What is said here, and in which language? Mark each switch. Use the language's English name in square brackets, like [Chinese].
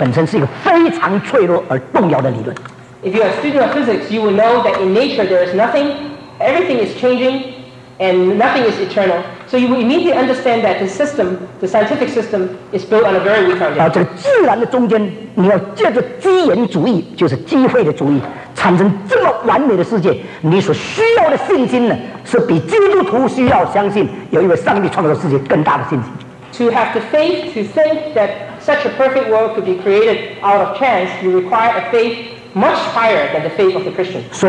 [Chinese] 自然界里面没有真正绝对的东西，自然界里面没有真正永恒的东西，因为一切的一切好像都在变化无穷，所以呢，这个理论的本身是一个非常脆弱而动摇的理论。 [English] If you are a student of physics, you will know that in nature there is nothing, everything is changing, and nothing is eternal. So you will immediately understand that the system, the scientific system, is built on a very weak foundation. [Chinese] 这个自然的中间，你要借着机缘主义，就是机会的主义。产生这么完美的世界，你所需要的信心呢，是比基督徒需要相信有一位上帝创造世界更大的信心。To [English] have the faith to think that such a perfect world could be created out of chance, you require a faith much higher than the faith of the Christian.